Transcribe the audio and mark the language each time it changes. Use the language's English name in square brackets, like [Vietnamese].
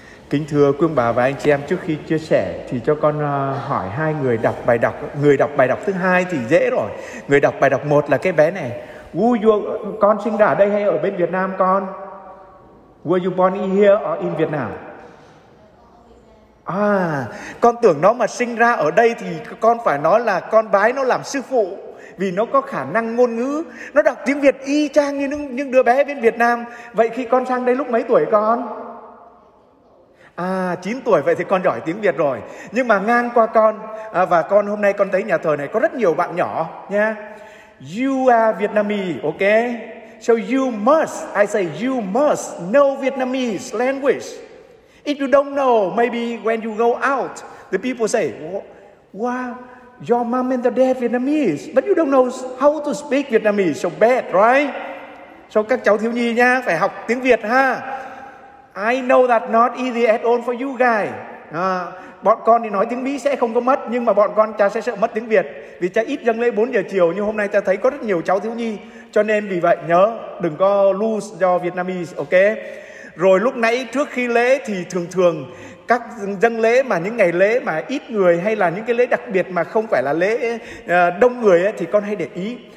[Vietnamese] Kính thưa quý ông bà và anh chị em, trước khi chia sẻ thì cho con hỏi hai người đọc bài đọc. Người đọc bài đọc thứ hai thì dễ rồi. Người đọc bài đọc một là cái bé này. Con sinh ra ở đây hay ở bên Việt Nam con? [English] Were you born here or in Vietnam? [Vietnamese] À, con tưởng nó mà sinh ra ở đây thì con phải nói là con bái nó làm sư phụ, vì nó có khả năng ngôn ngữ, nó đọc tiếng Việt y chang như những đứa bé bên Việt Nam. Vậy khi con sang đây lúc mấy tuổi con? À, 9 tuổi, vậy thì con giỏi tiếng Việt rồi. Nhưng mà ngang qua con à, và con hôm nay con thấy nhà thờ này có rất nhiều bạn nhỏ nha. [English] You are Vietnamese, ok? So you must know Vietnamese language. If you don't know, maybe when you go out, the people say, wow, your mom and the dad Vietnamese, but you don't know how to speak Vietnamese, so bad, right? So [Vietnamese] các cháu thiếu nhi nha, phải học tiếng Việt ha. [English] I know that not easy at all for you guys. [Vietnamese] Bọn con thì nói tiếng Mỹ sẽ không có mất, nhưng mà bọn con cha sẽ sợ mất tiếng Việt, vì cha ít dâng lễ 4 giờ chiều, nhưng hôm nay cha thấy có rất nhiều cháu thiếu nhi, cho nên vì vậy nhớ, đừng có [English] lose your Vietnamese, ok? [Vietnamese] Rồi lúc nãy trước khi lễ thì thường thường các dâng lễ mà những ngày lễ mà ít người, hay là những cái lễ đặc biệt mà không phải là lễ đông người ấy, thì con hay để ý.